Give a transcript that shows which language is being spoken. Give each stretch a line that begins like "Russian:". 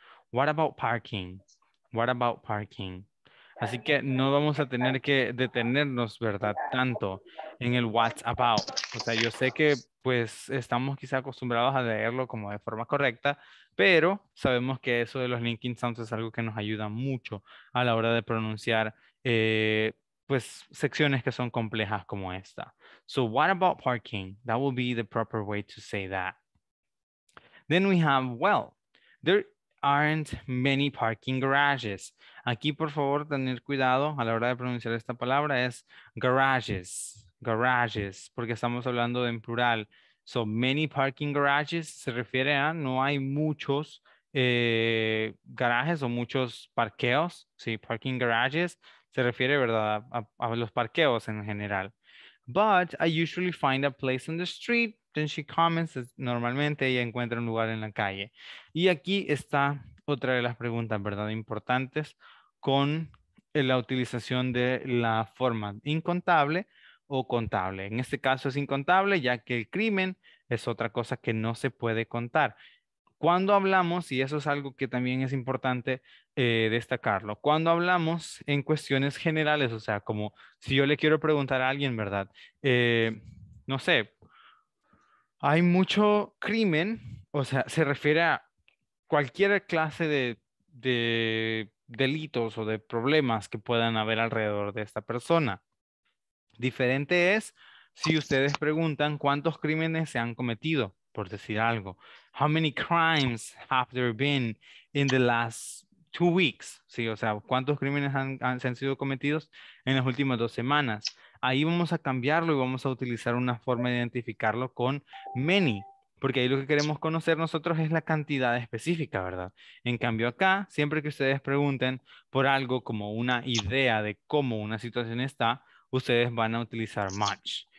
English: What about parking? What about parking?
Spanish: Así que no vamos a tener que detenernos, ¿verdad? Tanto en el what about. O sea, yo sé que pues estamos quizá acostumbrados a leerlo como de forma correcta, pero sabemos que eso de los linking sounds es algo que nos ayuda mucho a la hora de pronunciar pues secciones que son complejas como esta.
English: So what about parking? That will be the proper way to say that. Then we have, well, there aren't many parking garages.
Spanish: Aquí, por favor, tener cuidado a la hora de pronunciar esta palabra es garages, garages, porque estamos hablando en plural.
English: So many parking garages
Spanish: se refiere a no hay muchos garajes o muchos parqueos. Sí, parking garages se refiere, ¿verdad?, a los parqueos en general.
English: But I usually find a place on the street. Then she comments,
Spanish: normalmente ella encuentra un lugar en la calle. Y aquí está otra de las preguntas, ¿verdad?, importantes con la utilización de la forma incontable o contable. En este caso es incontable, ya que el crimen es otra cosa que no se puede contar. Cuando hablamos, y eso es algo que también es importante destacarlo, cuando hablamos en cuestiones generales, o sea, como si yo le quiero preguntar a alguien, ¿verdad? No sé, hay mucho crimen, o sea, se refiere a cualquier clase de delitos o de problemas que puedan haber alrededor de esta persona. Diferente es si ustedes preguntan cuántos crímenes se han cometido, por decir algo.
English: How many crimes have there been in the last 2 weeks?
Spanish: Sí, o sea, ¿cuántos crímenes han sido cometidos en las últimas 2 semanas? Ahí vamos a cambiarlo y vamos a utilizar una forma de identificarlo con many, porque ahí lo que queremos conocer nosotros es la cantidad específica, ¿verdad? En cambio acá, siempre que ustedes pregunten por algo como una idea de cómo una situación está, ustedes van a utilizar much.